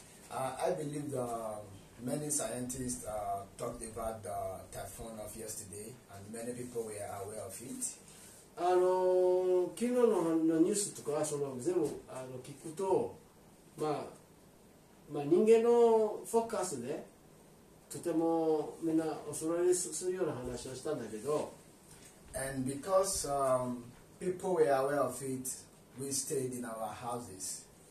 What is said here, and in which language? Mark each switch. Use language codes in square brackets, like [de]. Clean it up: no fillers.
[en] I believe the many scientists talked about the typhoon of yesterday, and many people were aware of it. [ja] 昨日のニュースとかその全部聞くと、まあ、人間のフォーカスでとてもみんな恐れにするような話をしたんだけど、 [en] And because people were aware of it, we stayed in our houses.